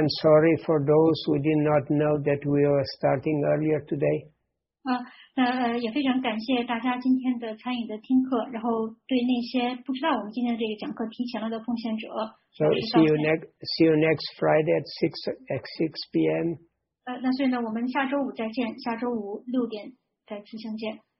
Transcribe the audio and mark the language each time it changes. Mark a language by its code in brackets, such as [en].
[en] And sorry for those who did not know that we were starting earlier today. [zh] 也非常感谢大家今天的参与的听课。然后对那些不知道我们今天这个讲课提前了的奉献者。 [en] So see you next Friday at 6 p.m. [zh] 那所以呢，我们下周五再见，下周五6点再出相见。